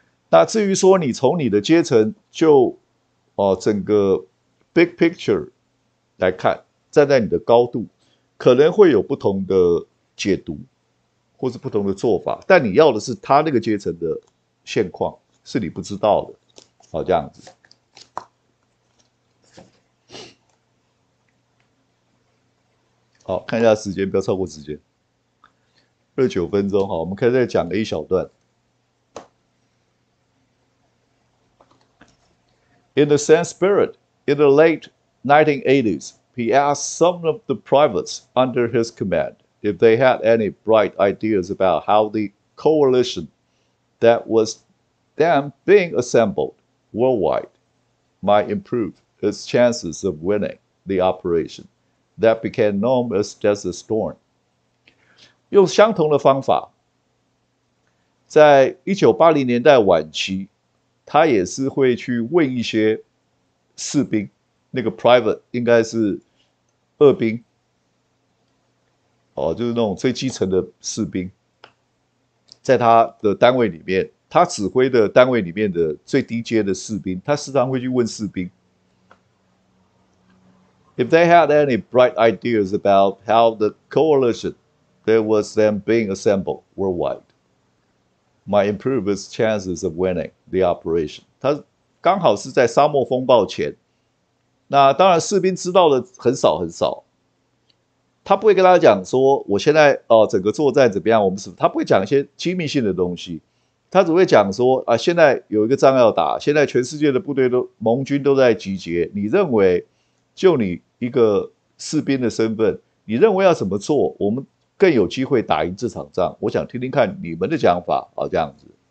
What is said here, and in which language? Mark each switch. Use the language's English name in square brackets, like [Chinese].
[Chinese] 那至于说你从你的阶层就整个 [English] big picture [Chinese] 来看，站在你的高度，可能会有不同的解读或是不同的做法，但你要的是他那个阶层的现况，是你不知道的。好，这样子。好，看一下时间，不要超过时间。29分钟，我们可以再讲一小段。 [English] In the same spirit, in the late 1980s, he asked some of the privates under his command if they had any bright ideas about how the coalition that was then being assembled worldwide might improve its chances of winning the operation. that became known as Desert Storm。 [Chinese] 用相同的方法，在1980年代晚期，他也是会去问一些士兵，那个 private 应该是二兵，哦，就是那种最基层的士兵，在他的单位里面，他指挥的单位里面的最低阶的士兵，他时常会去问士兵。 [English] If they had any bright ideas about how the coalition that was then being assembled worldwide might improve its chances of winning the operation. [Chinese] 他刚好是在沙漠风暴前，那当然士兵知道的很少很少。他不会跟他讲说我现在、整个作战怎么样，我们是他不会讲一些机密性的东西，他只会讲说、现在有一个仗要打，现在全世界的部队都盟军都在集结，你认为就你一个士兵的身份，你认为要怎么做我们更有机会打赢这场仗，我想听听看你们的讲法、这样子。